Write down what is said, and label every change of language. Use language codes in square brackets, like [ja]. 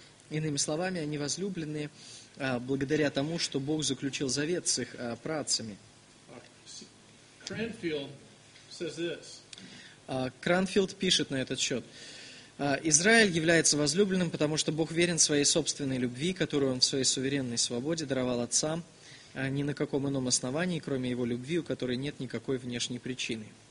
[ru] Иными словами, они возлюблены благодаря тому, что Бог заключил завет с их праотцами. [en] Кранфилд says this. [ru] Кранфилд пишет на этот счет. Израиль является возлюбленным, потому что Бог верен своей собственной любви, которую Он в своей суверенной свободе даровал отцам, ни на каком ином основании, кроме Его любви, у которой нет никакой внешней причины.